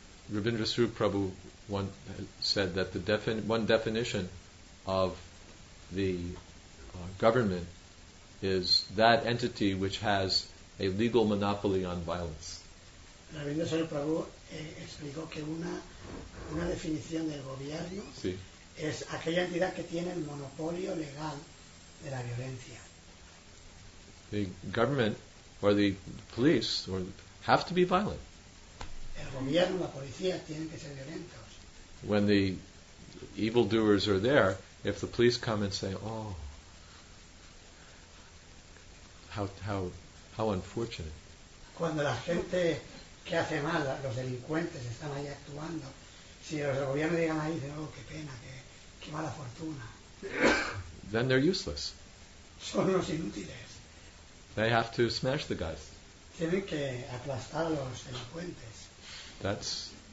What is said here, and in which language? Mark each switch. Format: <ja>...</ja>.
<en>Rabindranath Prabhu once said that one definition of the government is that entity which has a legal monopoly on violence.</en> <es>Rabindranath Prabhu explicó que una definición del gobierno es aquella entidad que tiene el monopolio legal de la violencia.</es> <en>The government or the police or have to be violent.</en> <es>El gobierno, la policía tienen que ser violentos.</es> <en>When the evildoers are there, if the police come and say, oh, how unfortunate.</en> <es>Cuando la gente que hace mal, los delincuentes están ahí actuando, si los del gobierno llegan ahí, dicen, oh, qué pena, qué mala fortuna.</es> <en>Then they're useless.</en> <es>Son los inútiles.</es> <en>They have to smash the guys.</en> <es>Tienen que aplastar a los delincuentes.</es>